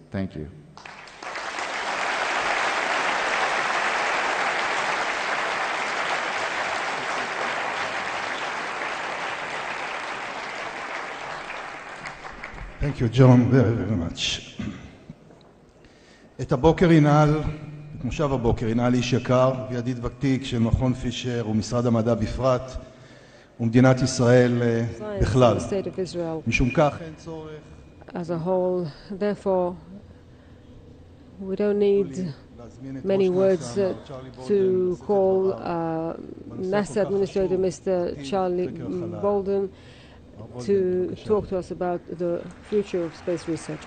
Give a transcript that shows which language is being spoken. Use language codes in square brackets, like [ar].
[en] Thank you. Thank you, John, very, very much. [he] את הבוקר אינל, את מושב הבוקר אינל איש יקר וידיד ותיק של מכון פישר ומשרד המדע בפרט ומדינת ישראל בכלל. משום כך אין צורך. [en] As a whole, therefore, we don't need many words to call NASA administrator Mr. Charlie Bolden to talk to us about the future of space research.